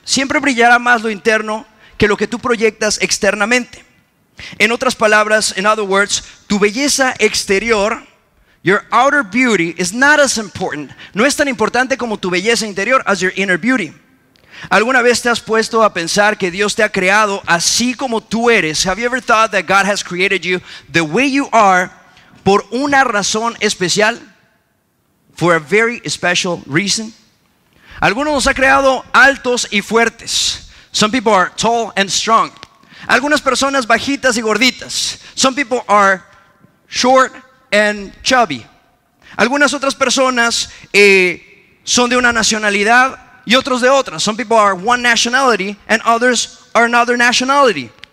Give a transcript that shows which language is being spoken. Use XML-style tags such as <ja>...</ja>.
<es>Siempre brillará más lo interno que lo que tú proyectas externamente. En otras palabras,</es> <en>in other words,</en> <es>tu belleza exterior,</es> <en>your outer beauty, is not as important.</en> <es>No es tan importante como tu belleza interior</es> <en>as your inner beauty.</en> <es>¿Alguna vez te has puesto a pensar que Dios te ha creado así como tú eres?</es> <en>Have you ever thought that God has created you the way you are</en> <es>por una razón especial?</es> <en>For a very special reason.</en> <es>Algunos nos ha creado altos y fuertes.</es> <en>Some people are tall and strong.</en> <es>Algunas personas bajitas y gorditas.</es> <en>Some people are short and chubby.</en> <es>Algunas otras personas son de una nacionalidad y otros de otra.</es> <en>Some people are one nationality and others are another nationality.</en>